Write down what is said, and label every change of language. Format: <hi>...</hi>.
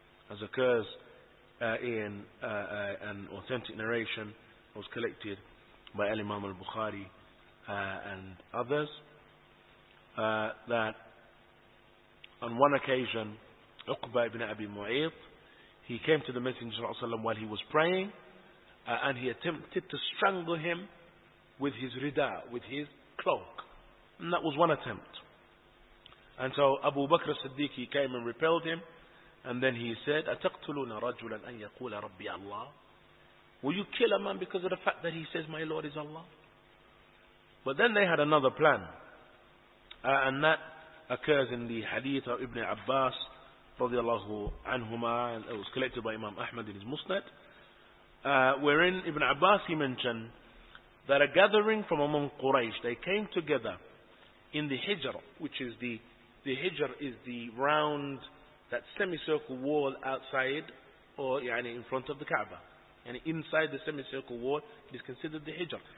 <en>as occurs an authentic narration that was collected by Al-Imam Al-Bukhari and others, that on one occasion Uqba ibn Abi Mu'ayt, he came to the Messenger ﷺ while he was praying, and he attempted to strangle him with his rida, with his cloak. And that was one attempt. And so Abu Bakr as-Siddiq, he came and repelled him. And then he said,</en> <ar>أَتَقْتُلُونَ رَجُلًا أَنْ يَقُولَ رَبِّي اللَّهِ.</ar> <en>Will you kill a man because of the fact that he says, my Lord is Allah? But then they had another plan. And that occurs in the hadith of Ibn Abbas</en> <ar>رضي الله عنهما,</ar> <en>and it was collected by Imam Ahmad in his Musnad, wherein Ibn Abbas, he mentioned that a gathering from among Quraysh, they came together in the Hijr, which is the Hijr is the round, that semicircle wall outside, or yani in front of the Kaaba, and inside the semicircle wall, it is considered the Hijr.</en>